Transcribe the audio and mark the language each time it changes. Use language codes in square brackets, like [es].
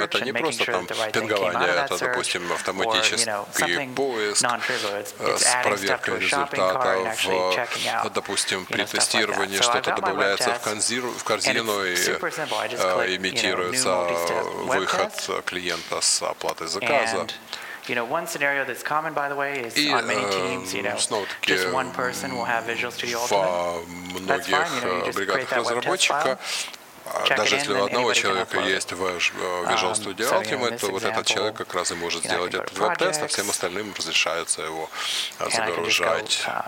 [ru] Это не просто там пингование, это, допустим, автоматически и поиск с проверкой результата, допустим, при тестировании что-то добавляется в корзину и имитируется выход клиента с оплатой заказа. [en] You know, one scenario that's common, by the way, is on many teams, you know, just one person will have Visual Studio Ultimate. That's fine, you know, you just create that web test file. [ru] Даже если у одного человека есть Visual Studio Ultimate, то вот этот человек как раз и может сделать этот веб-тест, а всем остальным разрешается его загружать.